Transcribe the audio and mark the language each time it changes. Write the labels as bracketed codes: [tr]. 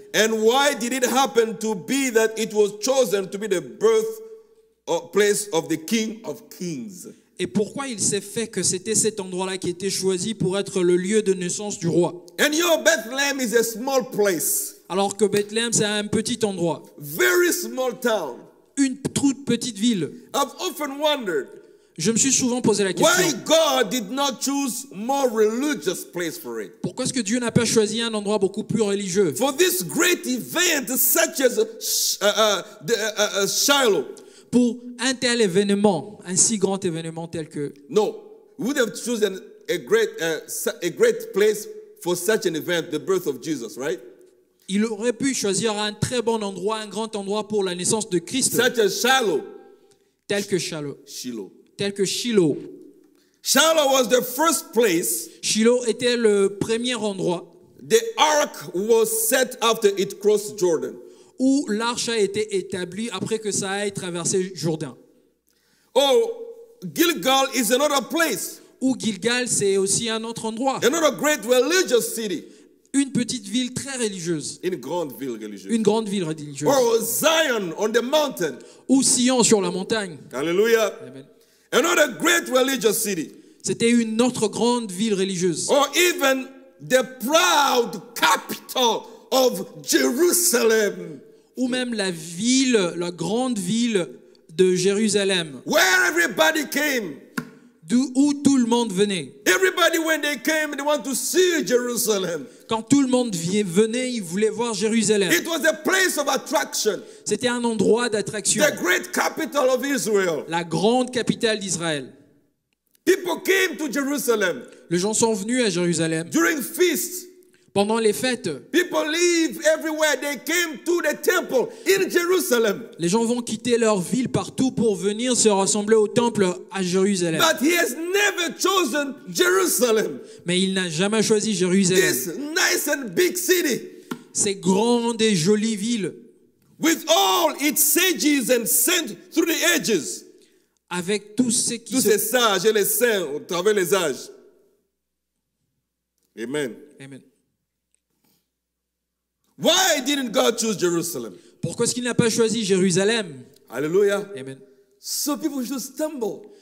[en] And why did it happen to be that it was chosen to be the birth or place of the King of Kings? [fr] Et pourquoi il s'est fait que c'était cet endroit-là qui était choisi pour être le lieu de naissance du roi? [en] And your Bethlehem is a small place. [fr] Alors que Bethléem, c'est un petit endroit. [en] Very small town. [fr] Une toute petite ville. [en] I've often wondered. [fr] Je me suis souvent posé la question. [en] Why God did not choose more religious place for it? [fr] Pourquoi est-ce que Dieu n'a pas choisi un endroit beaucoup plus religieux? [en] For this great event such as Shiloh. [fr] Pour un tel événement, un si grand événement tel que. [en] No, we would have chosen a great place for such an event, the birth of Jesus, right? [fr] Il aurait pu choisir un très bon endroit, un grand endroit pour la naissance de Christ. [en] Such as Shiloh. [fr] Tel que Shiloh. [en] Shiloh. [fr] Tel que Shiloh. [en] Shiloh was the first place. [fr] Shiloh était le premier endroit. [en] The ark was set after it crossed Jordan. [fr] Où l'arche a été établie après que ça ait traversé Jourdain. [en] Oh, Gilgal is another place. [fr] Où Gilgal, c'est aussi un autre endroit. [en] Another great religious city. [fr] Une petite ville très religieuse. Une grande ville religieuse. Une grande ville religieuse. [en] Or Zion on the mountain. [fr] Ou Sion sur la montagne. [en] Alléluia. Another great religious city. [fr] C'était une autre grande ville religieuse. [en] Or even the proud capital of Jerusalem. [fr] Ou même la ville, la grande ville de Jérusalem. [en] Where everybody came. [fr] Où tout le monde venait. [en] Everybody when they came, they want to see Jerusalem. [fr] Quand tout le monde venait, ils voulaient voir Jérusalem. [en] It was a place of attraction. [fr] C'était un endroit d'attraction. [en] The great capital of Israel. [fr] La grande capitale d'Israël. [en] People came to Jerusalem. [fr] Les gens sont venus à Jérusalem. [en] During feasts. [fr] Pendant les fêtes. [en] People leave everywhere. They came to the temple in Jerusalem. [fr] Les gens vont quitter leur ville partout pour venir se rassembler au temple à Jérusalem. [en] But he has never chosen Jerusalem. [fr] Mais il n'a jamais choisi Jérusalem. [en] This nice and big city. [fr] Ces grandes et jolies villes. [en] With all its sages and saints through the ages. [fr] Avec tous ces qui tous ces sages et les saints au travers les âges. Amen. Amen. [en] Why didn't God choose Jerusalem? [fr] Pourquoi est-ce qu'il n'a pas choisi Jérusalem? Alléluia. Amen. [en] So people just stumble.